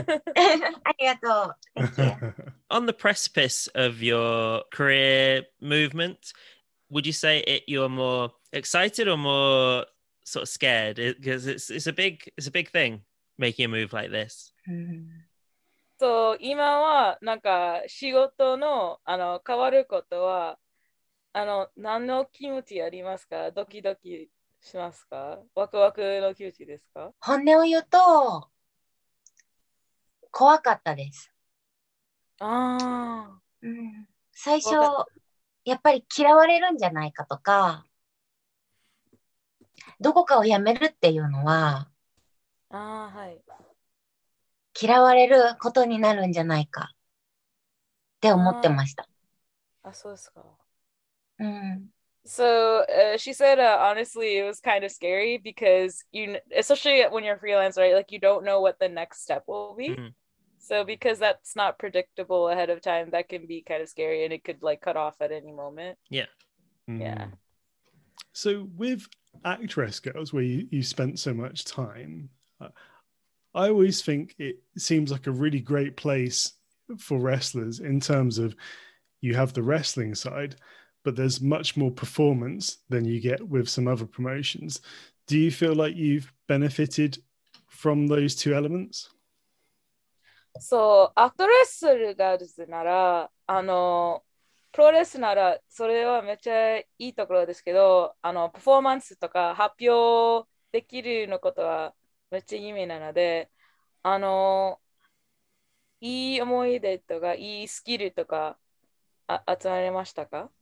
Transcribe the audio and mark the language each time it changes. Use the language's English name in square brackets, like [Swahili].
[Japanese] Arigato. [English] On the precipice of your career movement, would you say you're more excited or more sort of scared? Because it's a big thing making a move like this. [Japanese] So, 今はなんか仕事のあの変わることはあの何の気持ちありますか？ドキドキしますか？ワクワクの気持ちですか？本音を言うと怖かったです。ああ、最初やっぱり嫌われるんじゃないかとか、どこかを辞めるっていうのは、ああはい。嫌われることになるんじゃないかって思ってました。あ、そうですか。うん。 [English] So, she said, honestly, it was kind of scary because especially when you're freelance, right? Like, you don't know what the next step will be. So, because that's not predictable ahead of time, that can be kind of scary and it could, like, cut off at any moment. Yeah. Yeah. So, with Actress Girls, where you spent so much time, I always think it seems like a really great place for wrestlers in terms of you have the wrestling side, but there's much more performance than you get with some other promotions. Do you feel like you've benefited from those two elements? So, after wrestling, [Japanese] プロレスならそれはめっちゃいいところですけど、あのパフォーマンスとか発表できるのことはめっちゃ意味なので、あのいい思い出とかいいスキルとか集まりましたか？